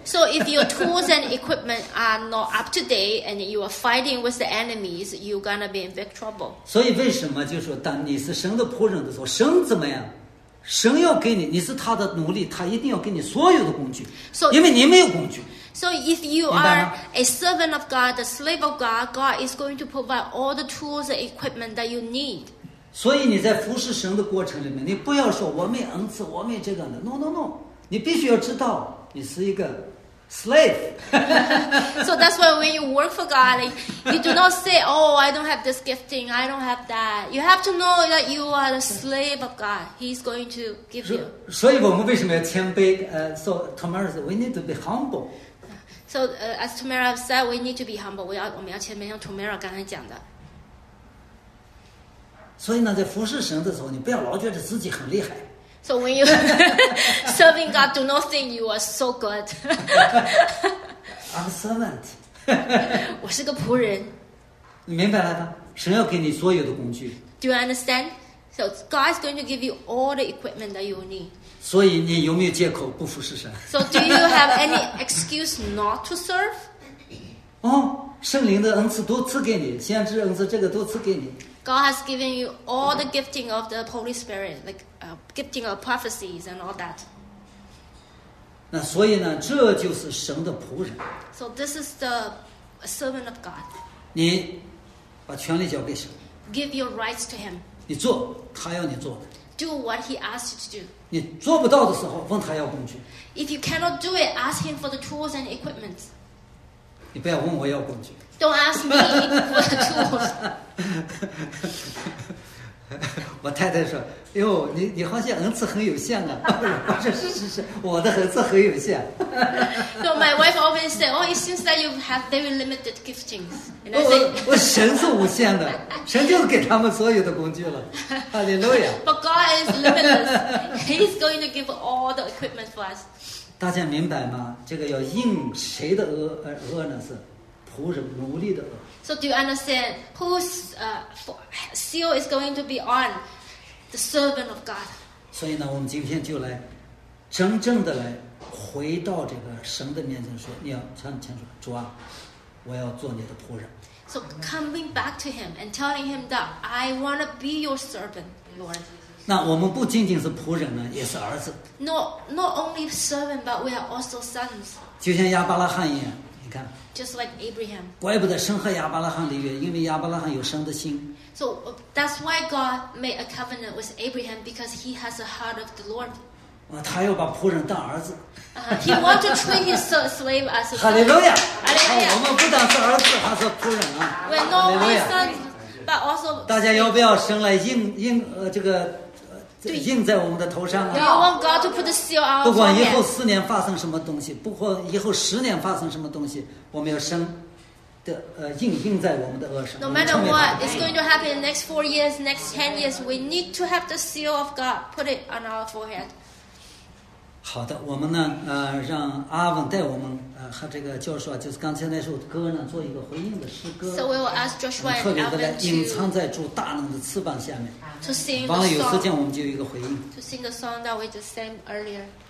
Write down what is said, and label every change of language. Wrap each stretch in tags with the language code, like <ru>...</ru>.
<en>So if your tools and equipment are not up to date, and you are fighting with the enemies, you're gonna be in big trouble.</en> <zh>所以为什么就是当你是神的仆人的时候，神怎么样？神要给你，你是他的奴隶，他一定要给你所有的工具，</zh> <en>so,</en> <zh>因为你没有工具。</zh> <en>So if you are a servant of God, a slave of God, God is going to provide all the tools and equipment that you need.</en> <zh>所以你在服侍神的过程里面，你不要说我没恩赐，我没这个的。</zh> <en>No.</en> <zh>你必须要知道你是一个 slave.</zh> <en>So that's why when you work for God, like, you do not say, oh, I don't have this gifting, I don't have that. You have to know that you are the slave of God. He's going to give you.</en> <zh>所以我们为什么要谦卑？</zh> <en>So tomorrow, we need to be humble. So, as Tamara said, we need to be humble.</en> <zh>我们要前面用 Tamara 刚才讲的。所以呢，在服侍神的时候，你不要老觉得自己很厉害。</zh> <en>So when you serving God, do not think you are so good. I'm a servant.</en> <zh>我是个仆人。你明白了吗？神要给你所有的工具。</zh> <en>Do you understand? So God is going to give you all the equipment that you need.</en> <zh>所以你有没有借口不服侍神</zh> <en>？So do you have any excuse not to serve？</en> <zh>哦，圣灵的恩赐都赐给你，先知恩赐这个都赐给你。</zh> <en>God has given you all the gifting of the Holy Spirit, like gifting of prophecies and all that.</en> <zh>那所以呢，这就是神的仆人。</zh> <en>So this is the servant of God.</en> <zh>你把权力交给神。</zh> <en>Give your rights to Him.</en> <zh>你做他要你做的。</zh> <en>Do what He asks you to do.</en> <zh>你做不到的时候，问他要工具。</zh> <en>If you cannot do it, ask him for the tools and equipment.</en> <zh>你不要问我要工具。</zh> <en>Don't ask me for the tools.</en> <zh>我太太说，哟，你好像恩赐很有限啊。我说是，我的恩赐很有限。</zh> <en>So my wife always said, oh, it seems that you have very limited giftings. And I say,</en> <zh>我神是无限的，神就给他们所有的工具了。Hallelujah.</zh> <en>But God is limitless. He's going to give all the equipment for us.</en> <zh>大家明白吗？这个要应谁的额呢？是仆人奴隶的额。</zh> <en>So do you understand whose seal is going to be on the servant of God?</en> <zh>所以呢，我们今天就来真正的来回到这个神的面前说，你要向前说，主啊，我要做你的仆人。</zh> <en>So coming back to him and telling him that I want to be your servant, Lord.</en> <zh>那我们不仅仅是仆人呢，也是儿子。</zh> <en>Not only servant, but we are also sons.</en> <zh>就像亚伯拉罕一样。</zh> <en>Just like Abraham.</en> <zh>怪不得神和亚伯拉罕立约，因为亚伯拉罕有神的心。</zh> <en>So that's why God made a covenant with Abraham because he has a heart of the Lord.</en> <zh>他要把仆人当儿子。</zh> <en>He wants to treat his slave as a son. Hallelujah! Hallelujah!</en> <zh>我们不但是儿子，还是仆人啊。</zh> <en>We're not only sons, but also.</en> <zh>大家要不要神来这个？印在我们的头上啊！不管以后四年发生什么东西，不管以后十年发生什么东西，我们要生的印在我们的额上。</zh> <en>No matter what is going to happen in the next 4 years, next 10 years, we need to have the seal of God put it on our forehead.</en> <zh>好的，我们呢，让阿文带我们和这个教授啊，就是刚才那首歌呢，做一个回应的诗歌。</zh> <en>So we will ask Joshua and Alvin to</en> <zh>特别的来隐藏在主大能的翅膀下面。</zh> <en>To sing the</en> <zh>完了，有时间我们就有一个回应。</zh> <en>To sing the song that we just sang earlier.</en>